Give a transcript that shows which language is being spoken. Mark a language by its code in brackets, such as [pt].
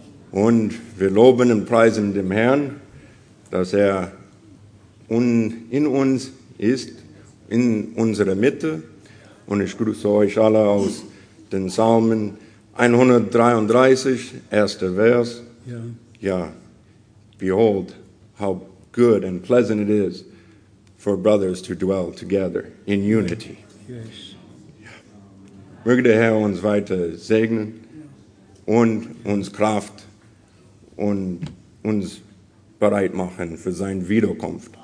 [de] Und wir loben und preisen dem Herrn, dass er in uns ist, in unserer Mitte. Und ich grüße euch alle aus den Psalmen 133, erster Vers. Ja. Ja. [en] Behold, how good and pleasant it is for brothers to dwell together in unity. Yes. [de] Möge der Herr uns weiter segnen und uns Kraft und uns bereit machen für sein Wiederkunft.